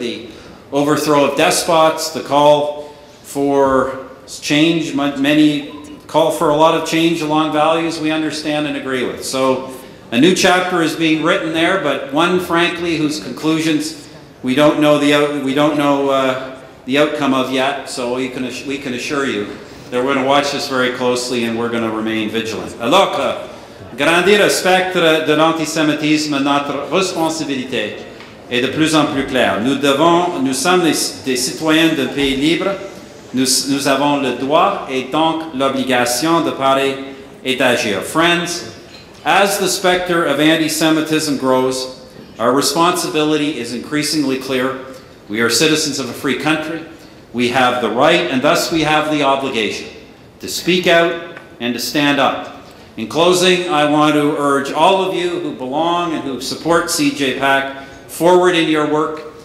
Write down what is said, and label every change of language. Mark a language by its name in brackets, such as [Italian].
[English] The overthrow of despots, the call for change, many call for a lot of change along values we understand and agree with. So a new chapter is being written there, but one, frankly, whose conclusions we don't know the outcome of yet, so we can assure you that we're going to watch this very closely and we're going to remain vigilant. [French] Alors, grandir le spectre de l'antisémitisme, notre responsabilité est de plus en plus claire. Nous sommes des citoyens d'un pays libre. Nous avons le droit et donc l'obligation de parler et d'agir. [English] Friends, as the specter of antisemitism grows, our responsibility is increasingly clear. We are citizens of a free country. We have the right and thus we have the obligation to speak out and to stand up. In closing, I want to urge all of you who belong and who support CJPAC forward in your work.